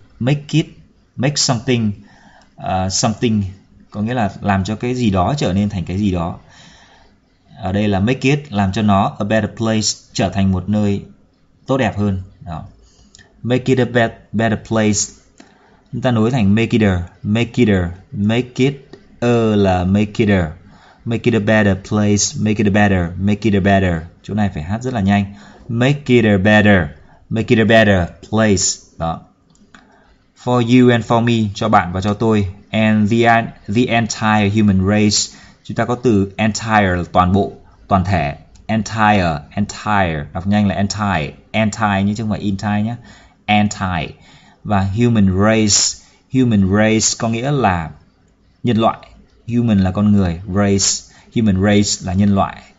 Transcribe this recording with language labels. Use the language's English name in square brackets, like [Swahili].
[Vietnamese] Make it, make something, something. Có nghĩa là làm cho cái gì đó trở nên thành cái gì đó. Ở đây là make it, làm cho nó [English] a better place, [Vietnamese] trở thành một nơi tốt đẹp hơn. Đó. [English] Make it a better place. [Vietnamese] Chúng ta nối thành [English] make it a, make it a, make it a là make it a. Make it a better place, make it a better, make it a better. [Vietnamese] Chỗ này phải hát rất là nhanh. [English] Make it a better place. [Vietnamese] Đó. [English] For you and for me, [Vietnamese] cho bạn và cho tôi. [English] And the entire human race. [Vietnamese] Chúng ta có từ entire là toàn bộ, toàn thể. Entire, entire, đọc nhanh là entire. Entire như chứ không phải entire nhé. Entire. Và human race có nghĩa là nhân loại. Human là con người, race, human race là nhân loại.